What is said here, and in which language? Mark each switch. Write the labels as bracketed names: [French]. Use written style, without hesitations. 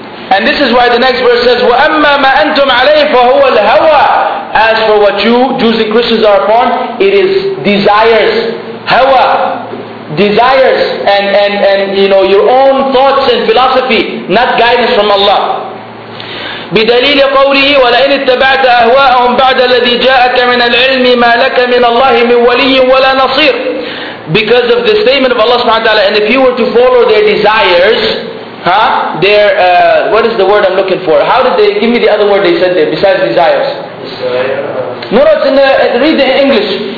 [English] And this is why the next verse says, [Arabic] وَأَمَّا مَا أَنْتُمْ عَلَيْهِ فَهُوَ الْهَوَى. [English] As for what you, Jews and Christians, are upon, it is desires. Hawa. desires and you know your own thoughts and philosophy, not guidance from Allah. [Arabic] بدليل قوله ولئن اتبعت أهواءهم بعد الذي جاءك من العلم ما لك من الله من ولي ولا نصير. [English] Because of the statement of Allah subhanahu wa ta'ala, and if you were to follow their desires, huh? Their what is the word I'm looking for? How did they give me the other word they said there besides desires? Desire. No, it's in the read the English.